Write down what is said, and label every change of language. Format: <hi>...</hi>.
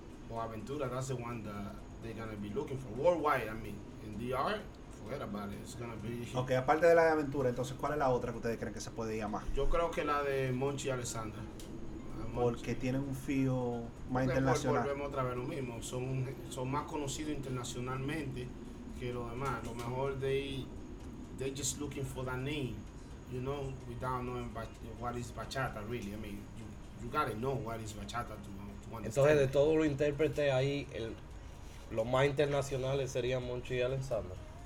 <en>But Aventura, that's the one that they're going to be looking for worldwide. I mean, in DR, forget about it. It's gonna be</en> <es>okay, aparte de la de Aventura, entonces, ¿cuál es la otra que ustedes creen que se puede llamar? Yo creo que la de Monchi y Alessandra. Porque tienen un feel más internacional. Volvemos otra vez lo mismo. Son más conocidos internacionalmente que los demás. Lo mejor,</es> <en>they just looking for that name, you know, without knowing what is bachata, really. I mean, you gotta know what is bachata to understand.</en> <es>Entonces, de todos los intérpretes ahí, los más internacionales serían Monchi y Alessandra.</es>